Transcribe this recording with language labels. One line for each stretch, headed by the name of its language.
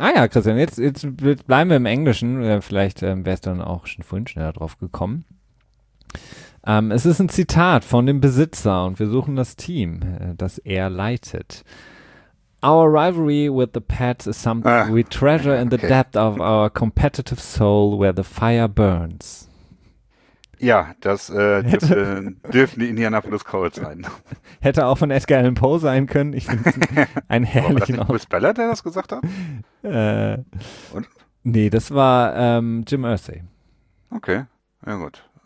German: Christian, jetzt bleiben wir im Englischen, vielleicht wärst du dann auch schon vorhin schneller drauf gekommen. Es ist ein Zitat von dem Besitzer und wir suchen das Team, das er leitet.
English: Our rivalry with the Pats is something we treasure in the depth of our competitive soul where the fire burns.
German: Ja, das dürfen die Indianapolis Colts sein. Hätte auch von Edgar Allan Poe sein können. Ich finde es einen herrlichen Ort. War das Bruce Ballard, der das gesagt hat? Und? Nee, das war Jim Irsay. Okay, ja gut.